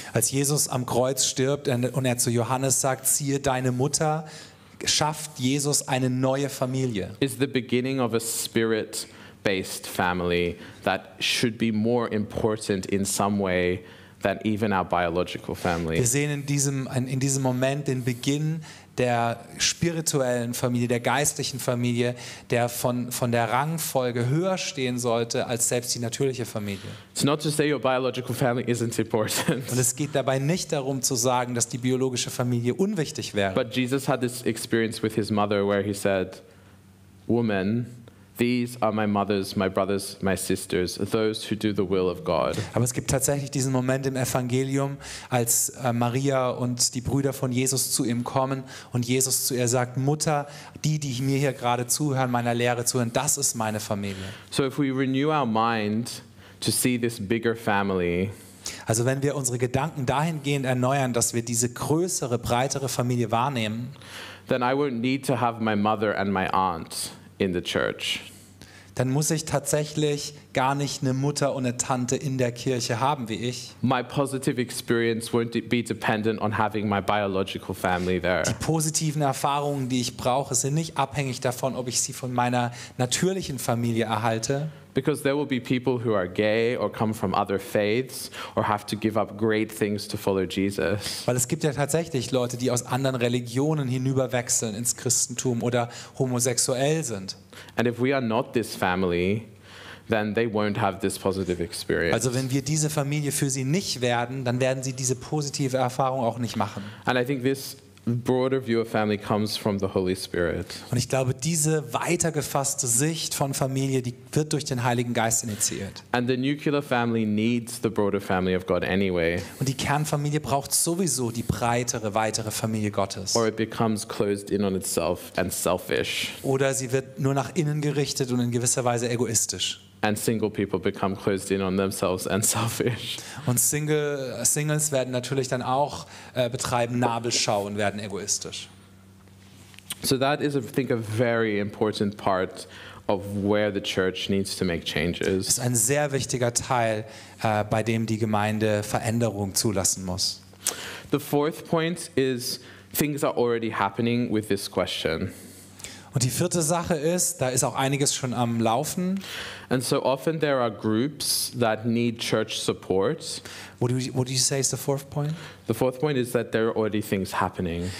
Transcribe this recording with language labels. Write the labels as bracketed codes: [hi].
[de] Als Jesus am Kreuz stirbt und er zu Johannes sagt, "Siehe deine Mutter," schafft Jesus eine neue Familie. [en] Is the beginning of a spirit-based family that should be more important in some way than even our biological family. [de] Wir sehen in diesem Moment den Beginn der spirituellen Familie, der geistlichen Familie, der von der Rangfolge höher stehen sollte als selbst die natürliche Familie. [en] It's not to say your biological family isn't important. [de] Und es geht dabei nicht darum zu sagen, dass die biologische Familie unwichtig wäre. [en] But Jesus had this experience with his mother where he said, "Woman, these are my mothers, my brothers, my sisters, those who do the will of God." [de] Aber es gibt tatsächlich diesen Moment im Evangelium, als Maria und die Brüder von Jesus zu ihm kommen und Jesus zu ihr sagt, Mutter, die mir hier gerade zuhören, meiner Lehre zuhören, das ist meine Familie. [en] So if we renew our mind to see this bigger family, [de] also wenn wir unsere Gedanken dahingehend erneuern, dass wir diese größere, breitere Familie wahrnehmen, [en] then I won't need to have my mother and my aunt in the church. [de] Dann muss ich tatsächlich gar nicht eine Mutter und eine Tante in der Kirche haben wie ich. [en] My positive experience won't be dependent on having my biological family there. [de] Die positiven Erfahrungen, die ich brauche, sind nicht abhängig davon, ob ich sie von meiner natürlichen Familie erhalte. [en] Because there will be people who are gay or come from other faiths or have to give up great things to follow Jesus. [de] Weil es gibt ja tatsächlich Leute, die aus anderen Religionen hinüberwechseln ins Christentum oder homosexuell sind. [en] And if we are not this family, then they won't have this positive experience. [de] Also wenn wir diese Familie für sie nicht werden, dann werden sie diese positive Erfahrung auch nicht machen. [en] And I think this broader view of family comes from the Holy Spirit. [de] Und ich glaube, diese weitergefasste Sicht von Familie, die wird durch den Heiligen Geist initiiert. [en] And the nuclear family needs the broader family of God anyway. [de] Und die Kernfamilie braucht sowieso die breitere, weitere Familie Gottes. [en] Or it becomes closed in on itself and selfish. [de] Oder sie wird nur nach innen gerichtet und in gewisser Weise egoistisch. [en] And single people become closed in on themselves and selfish. [de] Und Singles werden natürlich dann auch betreiben Nabelschau und werden egoistisch. [en] So that is, I think, a very important part of where the church needs to make changes. [de] Das ist ein sehr wichtiger Teil, bei dem die Gemeinde Veränderung zulassen muss. [en] The fourth point is things are already happening with this question. [de] Und die vierte Sache ist, da ist auch einiges schon am Laufen. [en] And so often there are groups that need church support. What do you say is the fourth point? The fourth point is that there are already things happening.